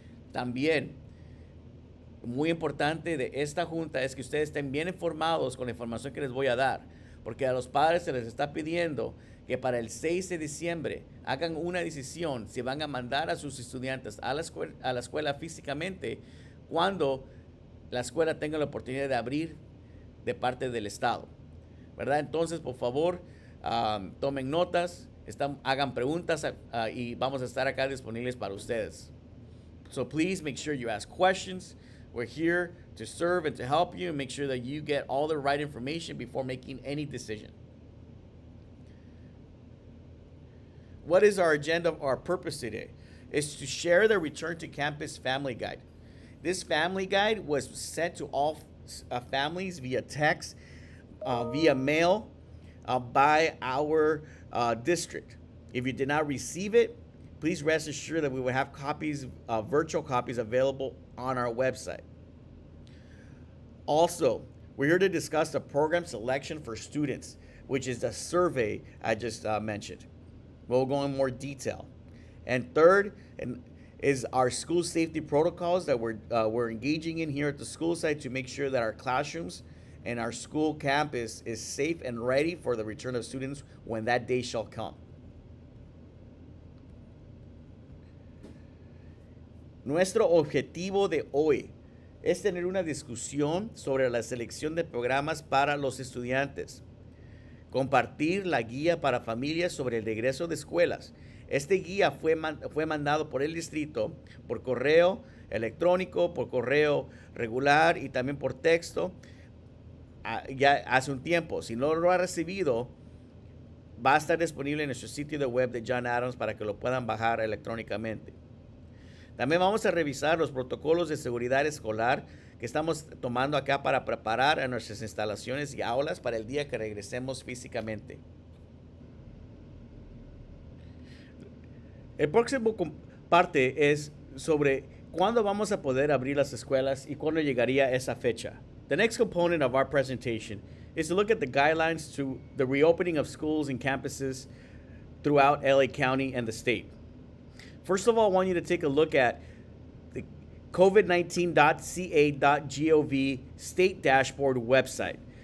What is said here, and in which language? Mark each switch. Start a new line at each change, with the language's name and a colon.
Spanish: También, muy importante de esta junta es que ustedes estén bien informados con la información que les voy a dar, porque a los padres se les está pidiendo que para el 6 de diciembre hagan una decisión si van a mandar a sus estudiantes a la escuela físicamente cuando la escuela tenga la oportunidad de abrir de parte del estado, ¿verdad? Entonces, por favor, tomen notas, hagan preguntas y vamos a estar acá disponibles para ustedes.
English: So please make sure you ask questions. We're here to serve and to help you and make sure that you get all the right information before making any decision. What is our agenda, our purpose today? It's to share the Return to Campus Family Guide. This family guide was sent to all families via text, via mail, by our district. If you did not receive it, please rest assured that we will have copies, virtual copies available on our website. Also, we're here to discuss the program selection for students, which is the survey I just mentioned. We'll go in more detail. And third, is our school safety protocols that we're engaging in here at the school site to make sure that our classrooms and our school campus is safe and ready for the return of students when that day shall come.
Spanish: Nuestro objetivo de hoy es tener una discusión sobre la selección de programas para los estudiantes. Compartir la guía para familias sobre el regreso de escuelas. Este guía fue mandado por el distrito por correo electrónico, por correo regular y también por texto ya hace un tiempo. Si no lo ha recibido, va a estar disponible en nuestro sitio de web de John Adams para que lo puedan bajar electrónicamente. También vamos a revisar los protocolos de seguridad escolar que estamos tomando acá para preparar a nuestras instalaciones y aulas para el día que regresemos físicamente. El próximo parte es sobre cuándo vamos a poder abrir las escuelas y cuándo llegaría esa fecha.
English: The next component of our presentation is to look at the guidelines to the reopening of schools and campuses throughout LA County and the state. First of all, I want you to take a look at the COVID-19.ca.gov state dashboard website.